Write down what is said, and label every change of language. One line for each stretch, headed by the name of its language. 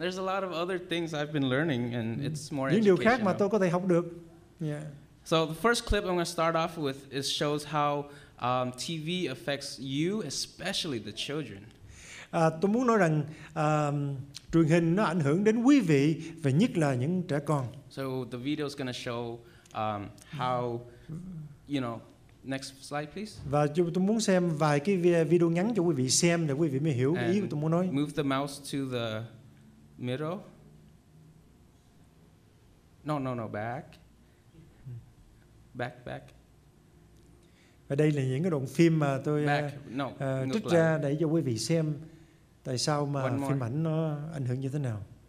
English: There's a lot of other things I've been learning, and it's more.
Vietnamese: Những điều khác mà tôi có thể học được.
English: Yeah. So the first clip I'm going to start off with is shows how TV affects you, especially the children.
Vietnamese: Tôi muốn nói rằng truyền hình nó ảnh hưởng đến quý vị và nhất là những trẻ con.
English: So the video is going to show how you know Next slide, please.
Vietnamese: Và tôi muốn xem vài cái video ngắn cho quý vị xem để quý vị mới hiểu ý của tôi muốn nói.
English: Move the mouse to the middle. No, no, no, back. Back, back.
Vietnamese: Và đây là những cái đoạn phim mà tôi trích ra để cho quý vị xem tại sao mà phim ảnh nó ảnh hưởng như thế nào.